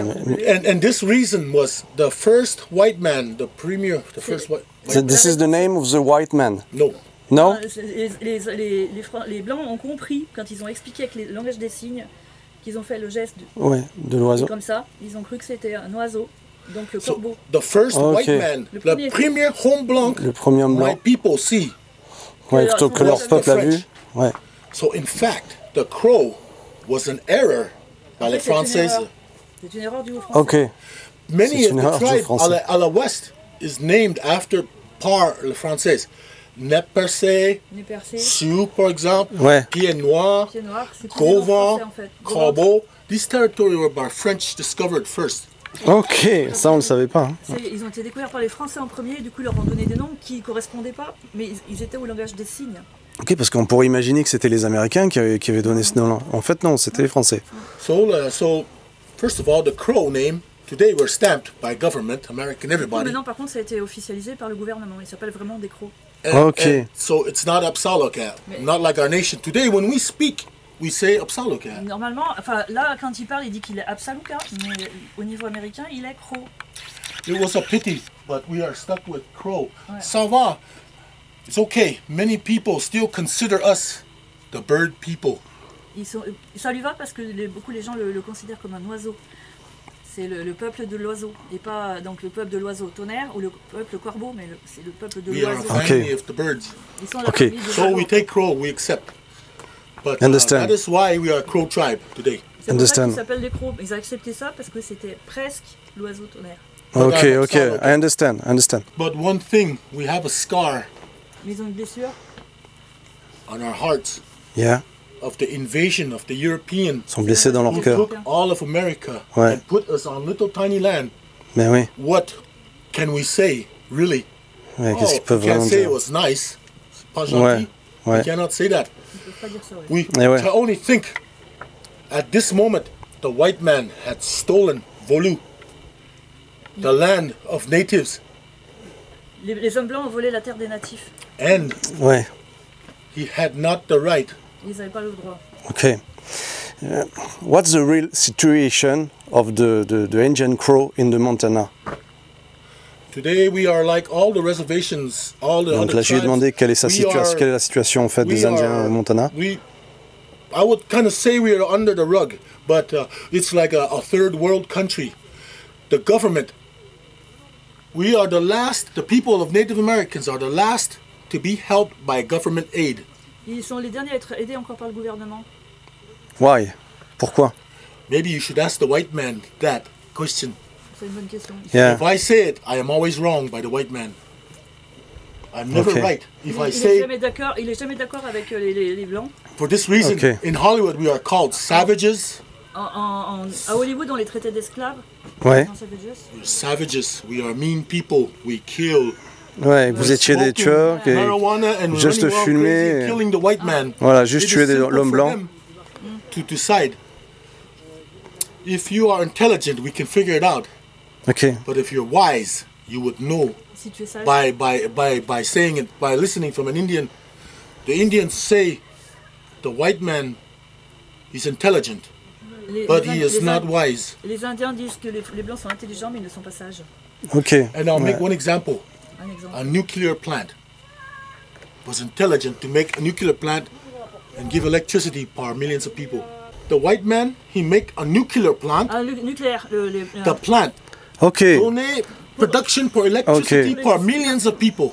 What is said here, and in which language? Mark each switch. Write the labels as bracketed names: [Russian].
[English] And this reason was the first white man, the premier, the first white man. This is the name of the white man. No. No? [French] Les blancs ont compris, quand ils ont expliqué avec le langage des signes, qu'ils ont fait le geste de l'oiseau. Comme ça, ils ont cru que c'était un oiseau. Donc le corbeau. [English] So, the first white man, the [French] premier homme blanc, le premier blanc, [English] white people see. [French] Que leur peuple a vu. Ouais. [English] So in fact, the crow was an error by the Français. [French] C'est une erreur du français. [English] Okay. Many of the tribes à la west is named after [French] par le français. [English] Nez [French] percé, Sioux par exemple, ouais. Pieds noirs, c'est Gauvin, en fait. [English] Corbeau. These territories were by French discovered first. [French] Ok, ça on le savait pas. Hein. Ils ont été découverts par les Français en premier, du coup ils leur ont donné des noms qui ne correspondaient pas, mais ils étaient au langage des signes. Ok, parce qu'on pourrait imaginer que c'était les Américains qui avaient donné ce nom-là. En fait non, c'était les Français. [English] So, first of all, the crow name, today we're stamped by government, American, everybody. [French] Maintenant par contre ça a été officialisé par le gouvernement, ils s'appellent vraiment des crocs. [English] Okay. And so it's not absaalooka, not like our nation. Today when we speak, we say absaalooka. [French] Normalement, enfin là quand il parle, il dit qu'il est absaalooka, mais au niveau américain, il est crow. [English] It was a pity, but we are stuck with crow. [French] Ça va. [English] It's okay. Many people still consider us the bird people. [French] Ça lui va parce que beaucoup les gens le considèrent comme un oiseau. C'est le peuple de l'oiseau, et pas donc le peuple de l'oiseau tonnerre ou le peuple corbeau, mais c'est le peuple de l'oiseau. [English] Okay. Of the birds. Okay. So we take crow, we accept. But that is why we are crow tribe today. Understand. [French] Ils s'appellent les crocs. Ils ont accepté ça parce que c'était presque l'oiseau tonnerre. [English] Okay. I understand. But one thing, we have a scar. [French] Ils ont une blessure. [English] On our hearts. Yeah. Of the invasion of the Europeans, [French] sont blessés dans leur cœur. [English] Took all of America and put us on little tiny land. [French] Mais oui. [English] What can we say, really? [French] Mais qu'est-ce qu'ils peuvent vraiment [English] dire? Can't say it was nice. [French] Pas gentil. Ouais. [English] We cannot say that. [French] Ils peuvent pas dire ça, [English] We can only think. At this moment, the white man had stolen, volu, the land of natives. [French] Les hommes blancs ont volé la terre des natifs. [English] And he had not the right. [French] Ils n'avaient pas le droit. [English] Okay. What's the real situation of the Indian crow in the Montana? Today we are like all the reservations, all the [French] Donc là, je lui ai demandé quelle est sa situation, quelle est la situation en fait des Indiens au Montana. [English] I would kind of say we are under the rug, but it's like a third world country. The government. We are the last. The people of Native Americans are the last to be helped by government aid. [French] Ils sont les derniers à être aidés encore par le gouvernement. [English] Why? [French] Pourquoi? [English] Maybe you should ask the white man that question. [French] C'est une bonne question. [English] Yeah. If I say it, I am always wrong by the white man. I'm never right. If [French] il [English] I say. [French] Il est jamais d'accord avec les blancs. [English] For this reason, in Hollywood, we are called savages. [French] À Hollywood, on les traitait d'esclaves. Ouais. [English] We're savages. We are mean people. We kill. [French] Ouais, vous étiez des tueurs, qui juste fumer, voilà, juste tuer l'homme blanc. [English] To decide. If you are intelligent, we can figure it out. Okay. But if you're wise, you would know. [French] Si tu es sage. [English] By saying it, by listening from an Indian, the Indians say the white man is intelligent, but he is not wise. [French] Les Indiens disent que les blancs sont intelligents, mais ils ne sont pas sages. [English] Okay. And I'll make one example. A nuclear plant was intelligent to make a nuclear plant and give electricity for millions of people. The white man, he make a nuclear plant. The plant. Okay. Donner production for electricity for millions of people.